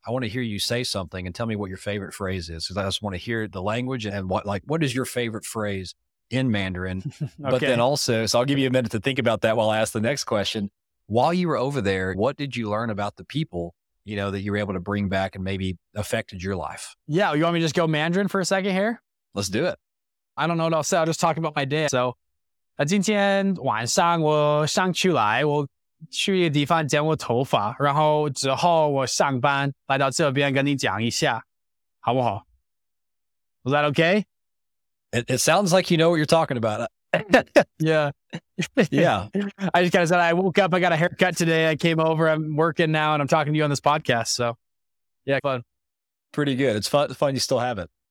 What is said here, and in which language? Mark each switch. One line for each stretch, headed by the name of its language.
English: I want to hear you say something and tell me what your favorite phrase is, because I just want to hear the language and what is your favorite phrase in Mandarin? Okay. But then also, so I'll give you a minute to think about that while I ask the next question. While you were over there, what did you learn about the people, you know, that you were able to bring back and maybe affected your life? Yeah. You want me to just go Mandarin for a second here? Let's do it. I don't know what I'll say. I'll just talk about my day.
Chinese: So, 今天晚上我上去来，我去一个地方剪我头发，然后之后我上班来到这边跟你讲一下，好不好？
English: Was that okay? It sounds like you know what you're talking about. Yeah. I just kind of said, I woke up, I got a haircut today. I came over, I'm working now, and I'm talking to you on this podcast. So yeah, fun. Pretty good. It's fun you still have it.